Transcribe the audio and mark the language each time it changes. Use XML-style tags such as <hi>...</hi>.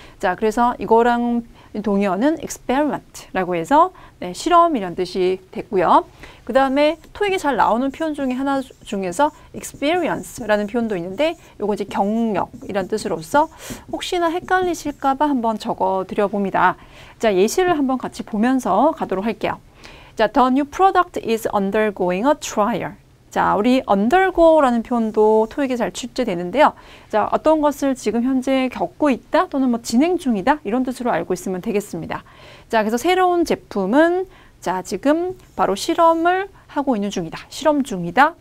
<ko>자, 그래서 이거랑 동의어는 experiment라고 해서, 네, 실험이란 뜻이 됐고요. 그 다음에 토익이 잘 나오는 표현 중에 하나 중에서 experience라는 표현도 있는데, 요거 이제 경력이란 뜻으로서 혹시나 헷갈리실까봐 한번 적어드려 봅니다. 자, 예시를 한번 같이 보면서 가도록 할게요.</ko> <en>자, the new product is undergoing a trial.</en> <ko>자, 우리 undergo라는 표현도 토익에 잘 출제되는데요. 자, 어떤 것을 지금 현재 겪고 있다 또는 뭐 진행 중이다 이런 뜻으로 알고 있으면 되겠습니다. 자, 그래서 새로운 제품은 자, 지금 바로 실험을 하고 있는 중이다. 실험 중이다.</ko>